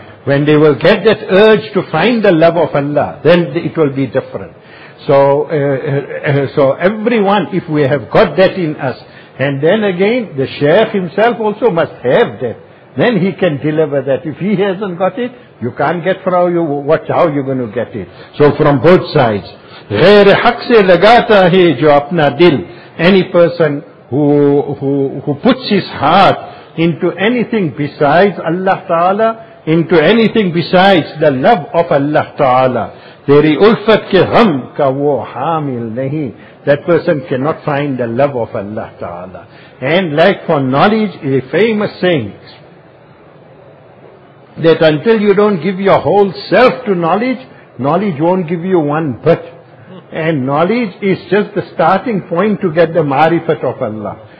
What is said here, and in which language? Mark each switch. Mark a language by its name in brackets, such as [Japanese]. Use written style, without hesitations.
[English] When they will get that urge to find the love of Allah, then it will be different. So everyone, if we have got that in us, and then again, the Shaykh himself also must have that. Then he can deliver that. If he hasn't got it, you can't get from you. Watch how you're going to get it. So from both sides. [Urdu] غیر حق سے لگاتا ہے جو اپنا دل. [English] Any person who puts his heart into anything besides Allah Ta'ala, into anything besides the love of Allah Ta'ala. [Urdu] تیری الفت کے غم کا وہ حامل نہیں. [English] That person cannot find the love of Allah Ta'ala. And like for knowledge, a famous saying, that until you don't give your whole self to knowledge, knowledge won't give you one bit. And knowledge is just the starting point to get the marifat of Allah.